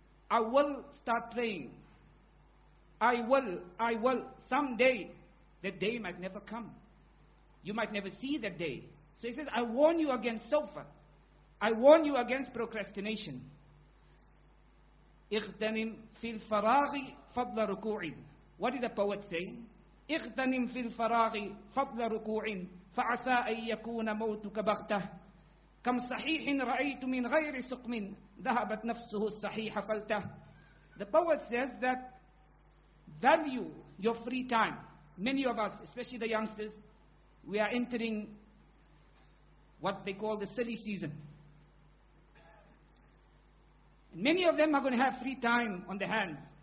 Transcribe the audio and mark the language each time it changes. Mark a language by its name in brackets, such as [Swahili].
[English] I will start praying. I will. Someday, that day might never come. You might never see that day. So he says, I warn you against sofa. I warn you against procrastination. [Arabic] اغتنم في الفراغ فضل ركوع. [English] What did the poet say? [Arabic] اغتنم في الفراغ فضل ركوع فعسى أن يكون موتك بغتة كم صحيح رأيت من غير سقم ذهبت نفسه الصحيح فلته. [English] The poet says that value your free time. Many of us, especially the youngsters, we are entering what they call the silly season. Many of them are going to have free time on their hands.